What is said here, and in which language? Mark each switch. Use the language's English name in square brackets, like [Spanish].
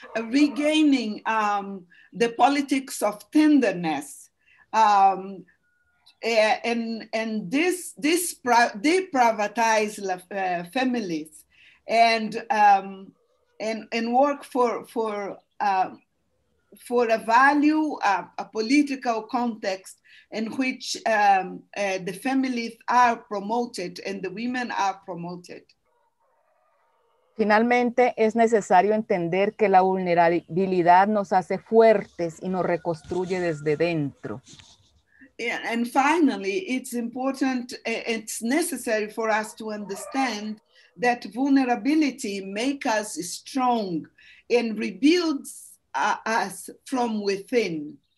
[English] Regaining the politics of tenderness and this deprivatize families and work for for a value, a political context in which the families are promoted and the women are promoted. [Spanish] Finalmente, es necesario entender que la vulnerabilidad nos hace fuertes y nos reconstruye desde dentro. [English] Yeah, and finally, it's important, it's necessary for us to understand that vulnerability makes us strong and rebuilds us from within.